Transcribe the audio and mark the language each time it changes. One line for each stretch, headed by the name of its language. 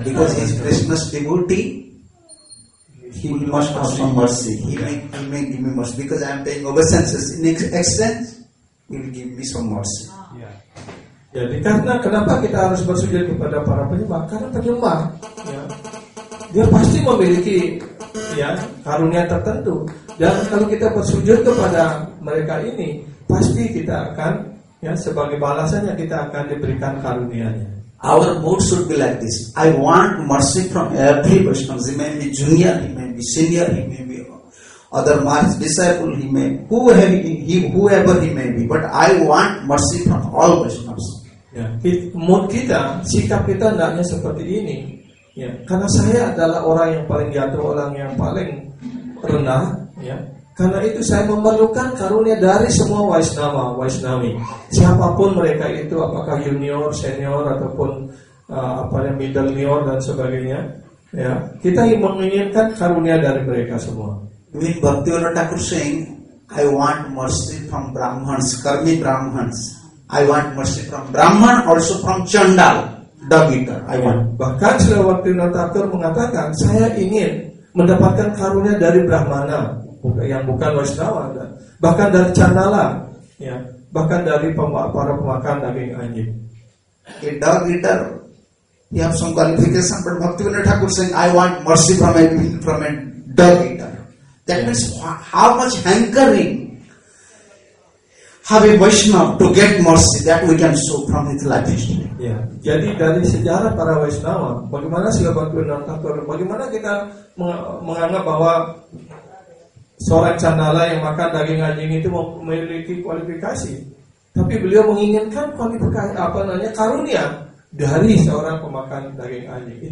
English: Because he is Krishna's devotee. He must have some mercy. He may give me mercy. Because I am paying obeisances in exchange, he will give me some mercy. Yeah.
Indonesian: Jadi karena kenapa kita harus bersujud kepada para penyembah? Karena penyembah, ya, dia pasti memiliki, ya, karunia tertentu. Dan kalau kita bersujud kepada mereka ini, pasti kita akan, ya, sebagai balasannya kita akan diberikan karunianya.
English: Our mood should be like this. I want mercy from every Vaishnava. He may be junior, he may be senior, he may be other Maharaj's disciple, he may whoever he may be. But I want mercy from all Vaishnavas.
Indonesian: Yeah. Mood kita, sikap kita hendaknya seperti ini. Ya, karena saya adalah orang yang paling jatuh, orang yang paling rendah, ya. Karena itu saya memerlukan karunia dari semua Vaishnava, Vaishnavi. Siapapun mereka itu, apakah junior, senior ataupun
English: middle senior
Indonesian: dan sebagainya, ya. Kita menginginkan karunia dari mereka semua.
English: Dwin Bhaktivinoda Thakur saying, I want mercy from Brahmans, karmi Brahmans. I want mercy from Brahman, also from Chandal.
Indonesian: Bahkan Sri Bhaktivinoda Thakur mengatakan, saya ingin mendapatkan karunia dari Brahmana yang bukan Vaishnava, bahkan dari Chandala, ya, bahkan dari para pemakan daging anjing.
English: The dog eater, he have some qualification, but Bhaktivinoda Thakur saying, I want mercy from a dog eater. That means how much hankering have a Vaishnava to get mercy that we can show from his life history.
Indonesian: Ya, jadi dari sejarah para Vaishnava, bagaimana Srila Bhaktivinoda Thakur, bagaimana kita menganggap bahwa seorang candala yang makan daging anjing itu memiliki kualifikasi, tapi beliau menginginkan kualifikasi, apa namanya, karunia dari seorang pemakan daging anjing.